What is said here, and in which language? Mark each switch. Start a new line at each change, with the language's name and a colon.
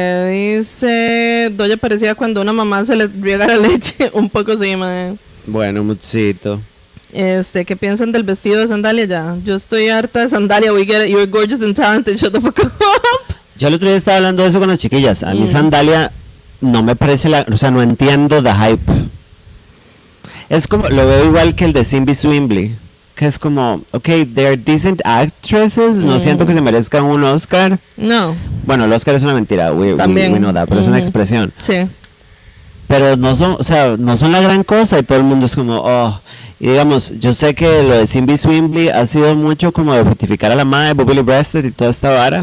Spanish: Dice, Doña parecía cuando una mamá se le riega la leche un poco encima. Bueno, muchito. ¿Qué piensan del vestido de sandalia ya? Yo estoy harta de sandalia.
English: We get it, you're gorgeous and talented, shut the fuck up.
Spanish: Yo el otro día estaba hablando de eso con las chiquillas. A mí sandalia no me parece la... O sea, no entiendo
English: the hype.
Spanish: Es como, lo veo igual que el de Simbi Swimbley. Que es como,
English: ok, they're decent actresses.
Spanish: No siento que se merezcan un Oscar. No. Bueno, el Oscar es una mentira.
English: We know that,
Spanish: pero es una expresión. Sí. Pero no son, o sea, no son la gran cosa. Y todo el mundo es como, oh... Y digamos, yo sé que lo de Simbi Swimbley ha sido mucho como de objetificar a la madre, Bubbly Breasted y toda esta vara.